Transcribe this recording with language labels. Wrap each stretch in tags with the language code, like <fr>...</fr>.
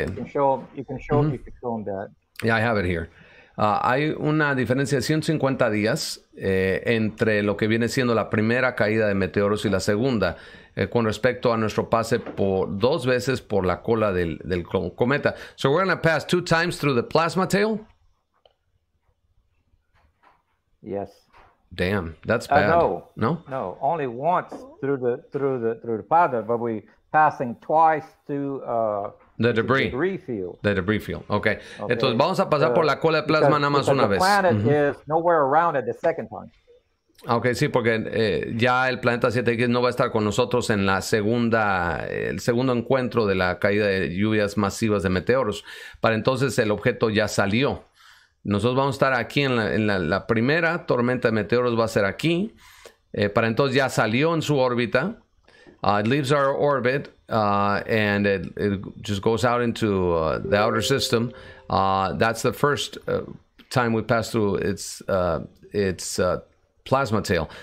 <en>Yes, you can show mm-hmm. if you can show them that. Yeah, I have it here.</en> <es>Hay una diferencia de 150 días entre lo que viene siendo la primera caída de meteoros y la segunda. Con respecto a nuestro pase por dos veces por la cola del cometa.</es> <en>So we're going to pass two times through the plasma tail? Yes. Damn, that's bad. No, only once through the plasma, but we're passing twice through the debris field. Okay.</en> <es>Entonces vamos a pasar por la cola de plasma</es> <en>because,</en> <es>nada más</es> <en>because</en> <es>una</es> <en>the</en> <es>vez.</es> <en>The planet mm-hmm. is nowhere around it the second time.</en> <es>Okay, sí, porque ya el planeta 7X no va a estar con nosotros en la segunda, el segundo encuentro de la caída de lluvias masivas de meteoros. Para entonces el objeto ya salió. Nosotros vamos a estar aquí en la primera tormenta de meteoros, va a ser aquí. Para entonces ya salió en su órbita.</es> <en>It leaves our orbit and it just goes out into the outer system. That's the first time we pass through its plasma tail.</en>